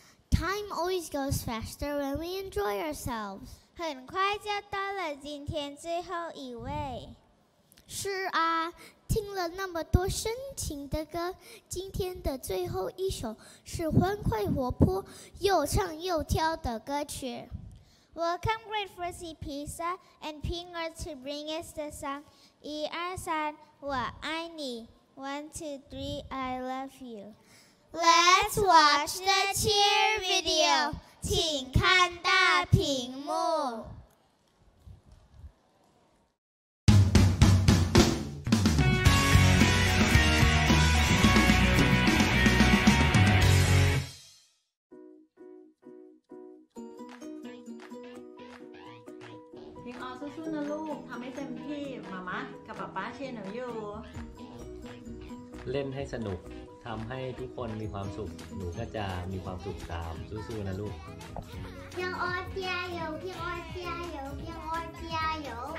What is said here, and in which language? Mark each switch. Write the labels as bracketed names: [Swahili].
[English] Time always goes faster when we enjoy ourselves. [Chinese] 很快就到了今天最后一位。是啊，听了那么多深情的歌，今天的最后一首是欢快活泼又唱又跳的歌曲。 [English] Welcome great Frisky Pizza and Pinger to bring us the song 一二三我爱你 One, two, three, I love you。 Let's watch the cheer video. [Chinese] 请看大屏幕。平儿，叔叔的路，他没生气。妈妈，跟爸爸牵手哟。 [Thai] เล่นให้สนุกทำให้ทุกคนมีความสุขหนูก็จะมีความสุขตามสู้ๆนะลูก เพียงอ้อเจียวเพียงอ้อเจียวเพียงอ้อเจียว